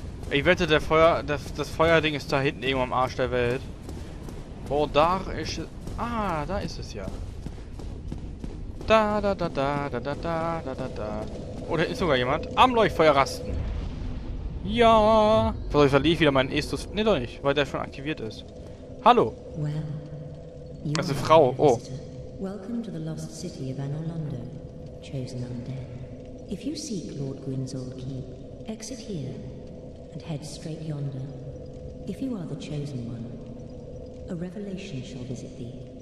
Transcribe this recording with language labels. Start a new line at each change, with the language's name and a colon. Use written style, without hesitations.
German: Ich wette, das Feuerding ist da hinten irgendwo am Arsch der Welt. Oh, da ist es. Ah, da ist es ja. Da, da, da, da, da, da, da, da, da, da. Oh, da ist sogar jemand am Leuchtfeuer rasten. Ja. Was soll ich verlief wieder meinen Estus. Ne, doch nicht, weil der schon aktiviert ist. Hallo. Das ist eine Frau. Oh.
English: Welcome to the lost city of Anolondo, chosen undead. If you seek Lord Gwyn's old keep, exit here. And head straight yonder. If you are the chosen one, a revelation shall visit thee.